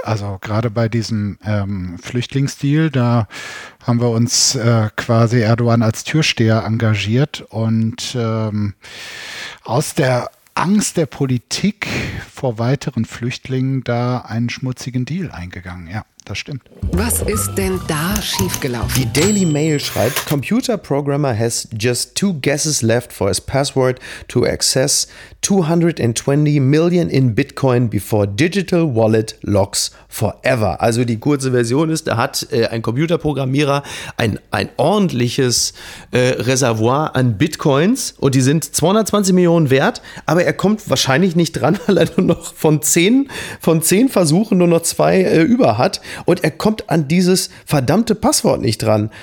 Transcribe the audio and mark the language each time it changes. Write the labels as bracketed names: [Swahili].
[German] Also gerade bei diesem Flüchtlingsdeal, da haben wir uns quasi Erdogan als Türsteher engagiert und aus der Angst der Politik vor weiteren Flüchtlingen da einen schmutzigen Deal eingegangen. Ja, das stimmt. Was ist denn da schiefgelaufen? Die Daily Mail schreibt, [English] Computer Programmer has just 2 guesses left for his password to access 220 million in Bitcoin before digital wallet locks forever. [German] Also die kurze Version ist, da hat ein Computerprogrammierer ein ordentliches Reservoir an Bitcoins und die sind 220 Millionen wert, aber er kommt wahrscheinlich nicht dran, weil er nur noch von zehn Versuchen nur noch 2 über hat und er kommt an dieses verdammte Passwort nicht dran.